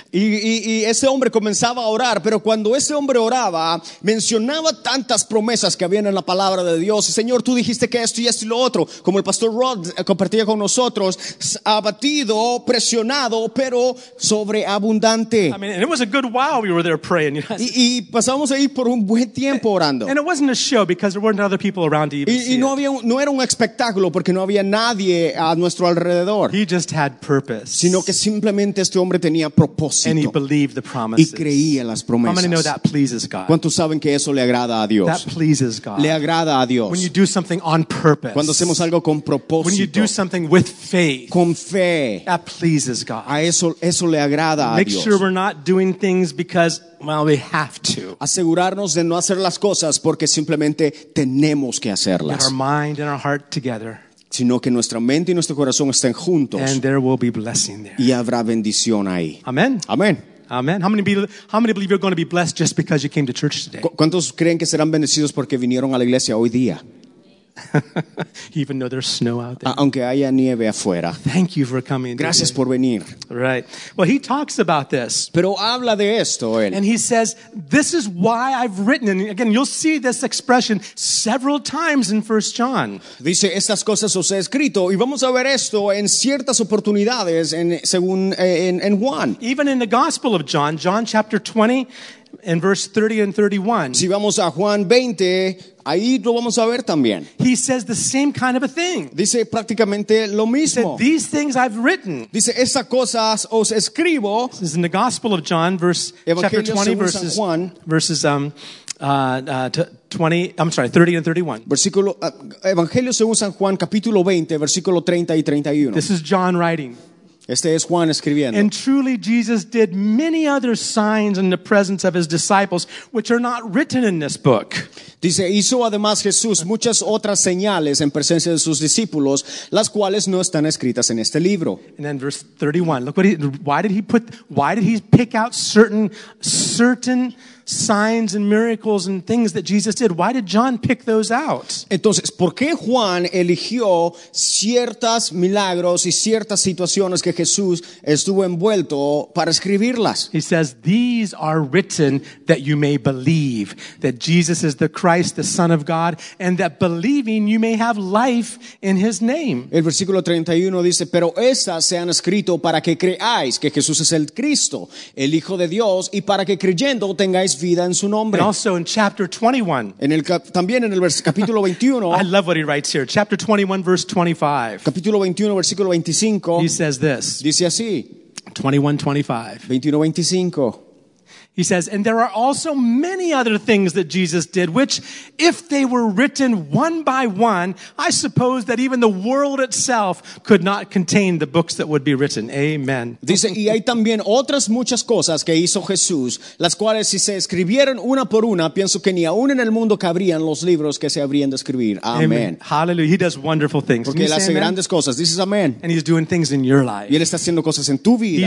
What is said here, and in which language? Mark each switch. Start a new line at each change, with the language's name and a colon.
Spanish: Y ese hombre comenzaba a orar, pero cuando ese hombre oraba, mencionaba tantas promesas que habían en la palabra de Dios. Señor, tú dijiste que esto y esto y lo otro. Como el Pastor Rod compartía con nosotros, abatido, presionado, pero sobreabundante.
English: I mean, and it was a good while we were there praying. You know?
Spanish: Y pasamos ahí por un buen tiempo orando.
English: And it wasn't a show because there weren't other people around to even
Spanish: y no había, no era un espectáculo porque no había nadie a nuestro alrededor.
English: He just had purpose.
Spanish: Sino que simplemente este hombre tenía propósito.
English: And he believed the promises.
Spanish: Y creía las promesas.
English: How many know that pleases God?
Spanish: ¿Cuántos saben que eso le agrada a Dios?
English: That pleases God.
Spanish: Le agrada a Dios.
English: When you do something on purpose.
Spanish: Cuando hacemos algo con propósito.
English: When you do something with faith.
Spanish: Con fe.
English: That pleases God.
Spanish: A eso le agrada a Dios.
English: Make sure we're not doing things because, well, we have to.
Spanish: Asegurarnos de no hacer las cosas porque simplemente tenemos que hacerlas.
English: Get our mind and our heart together.
Spanish: Sino que nuestra mente y nuestro corazón estén juntos.
English: And there will be blessing there.
Spanish: Y habrá bendición ahí.
English: Amen.
Spanish: Amen.
English: Amen. How many believe you're going to be blessed just because you came to church today?
Spanish: ¿Cuántos creen que serán bendecidos porque vinieron a la iglesia hoy día?
English: Even though there's snow out there.
Spanish: Aunque haya nieve afuera.
English: Thank you for coming.
Spanish: Gracias por venir.
English: Right. Well, he talks about this.
Spanish: Pero habla de esto él.
English: And he says, this is why I've written. And again, you'll see this expression several times in 1 John.
Spanish: Dice, estas cosas os he escrito. Y vamos a ver esto en ciertas oportunidades en Juan.
English: Even in the Gospel of John, John chapter 20, in verse 30 and 31.
Spanish: Si vamos a Juan 20, ahí lo vamos a ver también.
English: He says the same kind of a thing.
Spanish: Dice prácticamente lo mismo.
English: He said, these things I've written.
Spanish: Dice, estas cosas os escribo.
English: This is in the Gospel of John, chapter 30 and 31.
Spanish: Evangelio según San Juan, capítulo 20, versículo 30 y 31.
English: This is John writing.
Spanish: Este es Juan escribiendo.
English: And truly Jesus did many other signs in the presence of his disciples, which are not written in this book.
Spanish: Dice, hizo además Jesús muchas otras señales en presencia de sus discípulos, las cuales no están escritas en este libro.
English: And then verse 31. Look what why did he pick out certain signs and miracles and things that Jesus did? Why did John pick those out?
Spanish: Entonces, ¿por qué Juan eligió ciertas milagros y ciertas situaciones que Jesús estuvo envuelto para escribirlas?
English: He says, these are written that you may believe that Jesus is the Christ, the Son of God, and that believing you may have life in his name.
Spanish: El versículo 31 dice, pero esas se han escrito para que creáis que Jesús es el Cristo, el Hijo de Dios, y para que creyendo tengáis vida en su nombre.
English: And also in chapter 21.
Spanish: También en el capítulo 21.
English: I love what he writes here. Chapter 21, verse 25.
Spanish: Capítulo 21, versículo 25.
English: He says this.
Spanish: Dice así.
English: 21, 25. 21:25. He says, and there are also many other things that Jesus did, which if they were written one by one, I suppose that even the world itself could not contain the books that would be written. Amen.
Spanish: Dice, y hay también otras muchas cosas que hizo Jesús, las cuales si se escribieran una por una, pienso que ni aún en el mundo cabrían los libros que se habrían de escribir. Amen.
English: Hallelujah. He does wonderful things.
Spanish: Porque él hace grandes cosas. Dices, amen.
English: And he's doing things in your life.
Spanish: Y él está haciendo cosas en tu vida.